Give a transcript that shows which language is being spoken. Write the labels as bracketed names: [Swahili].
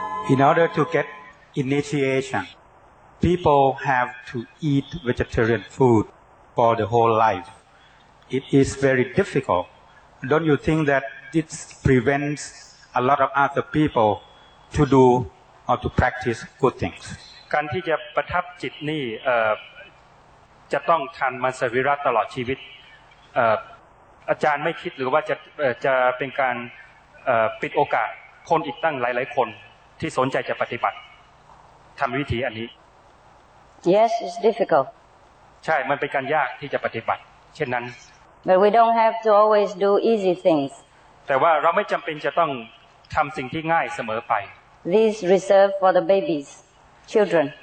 [English] In order to get initiation, people have to eat vegetarian food for the whole life. It is very difficult. Don't you think that this prevents a lot of other people to do or to practice good things? [Thai] การที่จะประทับจิตนี่จะต้องทานมังสวิรัติตลอดชีวิตอาจารย์ไม่คิดหรือว่าจะเป็นการปิดโอกาสคนอีกตั้งหลายๆคนที่สนใจจะปฏิบัติทำวิธีอันนี้ [English] Yes it's difficult [Thai] ใช่มันเป็นการยากที่จะปฏิบัติเช่นนั้น [English] But we don't have to always do easy things [Thai] แต่ว่าเราไม่จำเป็นจะต้องทำสิ่งที่ง่ายเสมอไป [English] This reserved for the babies children